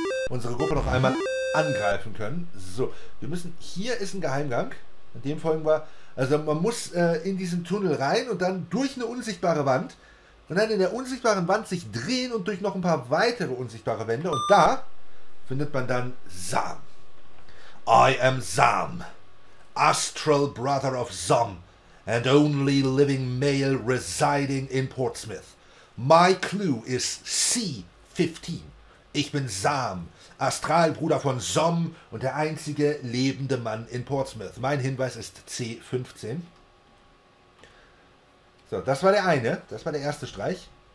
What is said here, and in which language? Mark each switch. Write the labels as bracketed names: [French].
[German] Unsere Gruppe noch einmal angreifen können. So, wir müssen. Hier ist ein Geheimgang. In dem folgen wir. Also man muss in diesen Tunnel rein und dann durch eine unsichtbare Wand. Und dann in der unsichtbaren Wand sich drehen und durch noch ein paar weitere unsichtbare Wände. Und da findet man dann Zahm. [English] I am Zahm, astral brother of Zom, and only living male residing in Portsmouth. My clue is C-15. [German] Ich bin Zahm, Astralbruder von Zom und der einzige lebende Mann in Portsmouth. Mein Hinweis ist C-15. So, das war der eine. Das war der erste Streich.